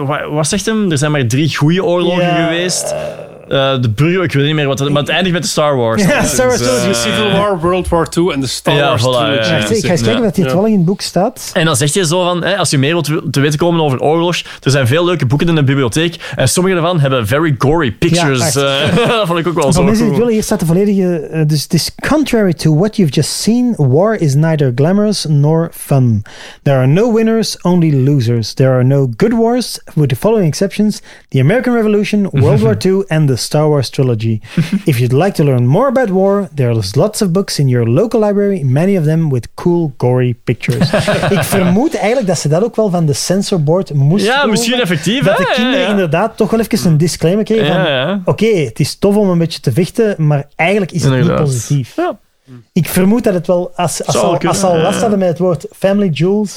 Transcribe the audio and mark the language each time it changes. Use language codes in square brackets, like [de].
[nl] Wat zegt hem? Er zijn maar 3 goede oorlogen geweest. De burger, ik weet niet meer wat dat is, maar het eindigt met de Star Wars. Ja, Star Wars. Civil War, World War II en de Star Wars. Voilà, ik ga eens kijken dat dit wel in het boek staat. En dan zeg je zo van, als je meer wilt te weten komen over oorlog, er zijn veel leuke boeken in de bibliotheek en sommige daarvan hebben [en] very gory pictures. [nl] Ja, dat vond ik ook wel zo. Maar mensen willen, hier staat de volledige... Dus [en] this contrary to what you've just seen, war is neither glamorous nor fun. There are no winners, only losers. There are no good wars, with the following exceptions, the American Revolution, World War II and the Star Wars trilogy. If you'd like to learn more about war, there's lots of books in your local library, many of them with cool, gory pictures. [nl] Ik vermoed eigenlijk dat ze dat ook wel van de censor board moesten Ja, misschien worden, effectief. Dat hè? De kinderen inderdaad toch wel even een disclaimer kregen van, oké, het is tof om een beetje te vechten, maar eigenlijk is het niet positief. Ja. Ik vermoed dat het wel, als ze al last hadden met het woord family jewels,